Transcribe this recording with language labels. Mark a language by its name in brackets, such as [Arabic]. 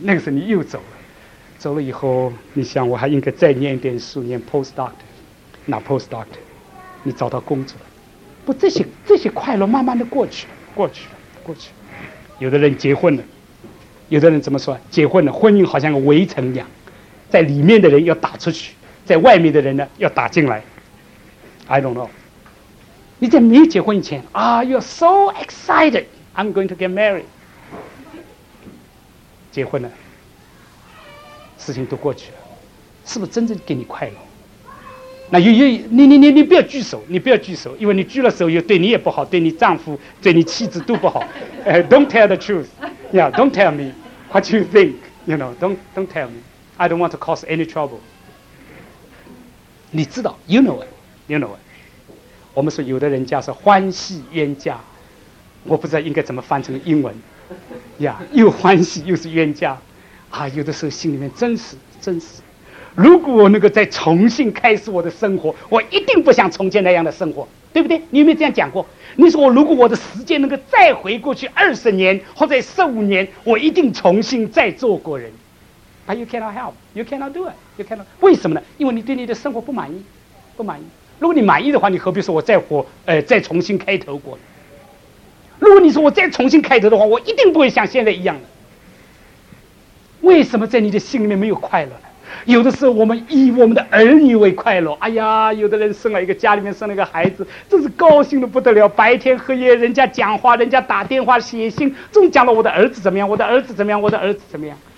[Chinese] 那个时候你又走了，走了以后你想我还应该再念一点书，念 postdoctor, 那 postdoctor, 你找到工作了。不，这些快乐慢慢的过去了，过去了，过去了。有的人结婚了，有的人怎么说，结婚了，婚姻好像个围城一样，在里面的人要打出去，在外面的人呢要打进来。 [English] I don't know, [Chinese] 你在没结婚以前 [English] Are you so excited, I'm going to get married, [Chinese] 结婚了，事情都过去了，是不是真正给你快乐？那有你不要举手，你不要举手，因为你举了手又对你也不好，对你丈夫、对你妻子都不好。 [English] don't tell the truth, yeah. Don't tell me what you think, you know. Don't tell me. I don't want to cause any trouble. [Chinese] 你知道 [English] ，you know it, you know it. [Chinese] 我们说有的人家是欢喜冤家，我不知道应该怎么翻成英文。呀、 [English] yeah, [Chinese] ，又欢喜又是冤家，啊，有的时候心里面真是真是。如果我能够再重新开始我的生活，我一定不想从前那样的生活，对不对？你有没有这样讲过？你说我如果我的时间能够再回过去20年或者15年，我一定重新再做过人。 [English] But you cannot help, you cannot do it, you cannot. [Chinese] 为什么呢？因为你对你的生活不满意，不满意。如果你满意的话，你何必说我再活，再重新开头过？如果你说我再重新开头的话，我一定不会像现在一样的。为什么在你的心里面没有快乐呢？有的时候我们以我们的儿女为快乐，哎呀，有的人生了一个家里面生了一个孩子，真是高兴得不得了，白天黑夜人家讲话，人家打电话写信，总讲了我的儿子怎么样，我的儿子怎么样，我的儿子怎么样。